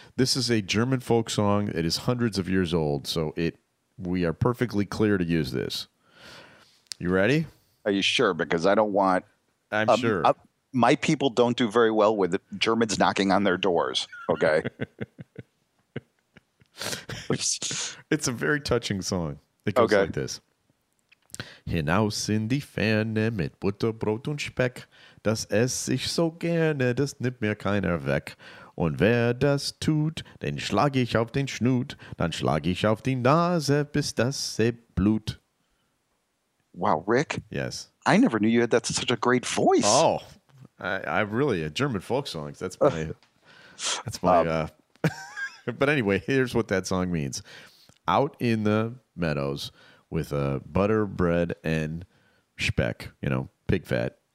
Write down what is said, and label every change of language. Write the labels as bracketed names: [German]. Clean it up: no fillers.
[English] This is a German folk song. It is hundreds of years old, so we are perfectly clear to use this. You ready? Are you sure? Because I don't want... I'm sure. My people don't do very well with Germans knocking on their doors, okay? It's a very touching song. It goes like this. [German] Hinaus in die Ferne mit Butter, Brot und Speck. Das esse ich so gerne, das nimmt mir keiner weg. Und wer das tut, den schlag ich auf den Schnut. Dann schlag ich auf die Nase, bis das se blut. [English] Wow, Rick. Yes. I never knew you had that such a great voice. Oh, I really, German folk songs. But anyway, here's what that song means. Out in the meadows with a butter, bread, and speck, pig fat.